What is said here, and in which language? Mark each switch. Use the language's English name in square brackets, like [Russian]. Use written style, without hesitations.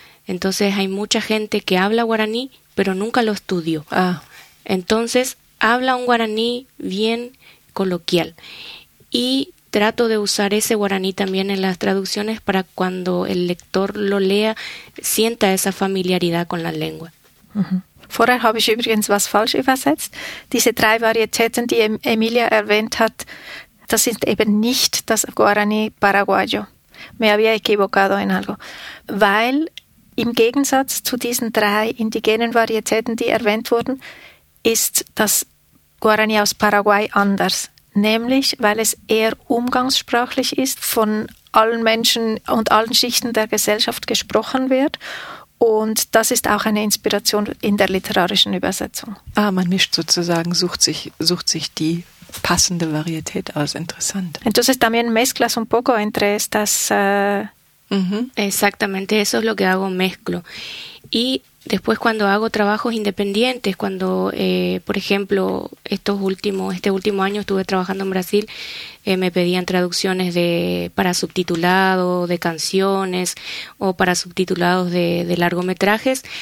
[Spanish] Entonces hay mucha gente que habla guaraní, pero nunca lo estudió. Ah. Entonces habla un guaraní bien coloquial. Y trato de usar ese guaraní también en las traducciones para cuando el lector lo lea, sienta esa familiaridad con la lengua. [German] Vorher habe ich übrigens was falsch übersetzt. Diese 3 Varietäten, die Emilia erwähnt hat, das sind eben nicht das Guaraní Paraguayo. [Spanish] Me había equivocado en algo. [German] Weil im Gegensatz zu diesen 3 indigenen Varietäten, die erwähnt wurden, ist das Guarani aus Paraguay anders. Nämlich, weil es eher umgangssprachlich ist, von allen Menschen und allen Schichten der Gesellschaft gesprochen wird. Und das ist auch eine Inspiration in der literarischen Übersetzung. Ah, man mischt sozusagen, sucht sich die passende Varietät aus. Interessant. [Spanish] Entonces también mezclas un poco entre estas... Exactamente, eso es lo que hago, mezclo. Y Después, cuando hago trabajos independientes, cuando, por ejemplo, este último año estuve trabajando en Brasil, me pedían traducciones para subtitulado de canciones o para subtitulados de largometrajes.